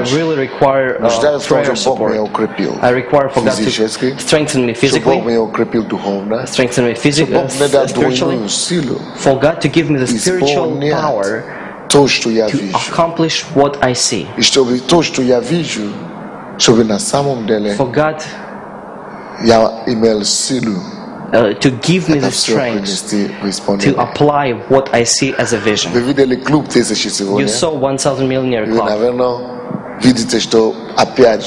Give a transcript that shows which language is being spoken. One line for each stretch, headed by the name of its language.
English: I really require prayer support. I require for God to strengthen me physically, strengthen me spiritually, for God to give me the spiritual power
Russian: то, что я вижу.
English: Accomplish what I see.
Russian: И чтобы то, что я вижу, чтобы на самом деле
English: for God,
Russian: я имел силу
English: to give me the strength to apply what I see as a vision.
Russian: Вы видели клуб тысячи сегодня?
English: You saw 1,000 millionaire club.
Russian: Вы, наверное, видите, что опять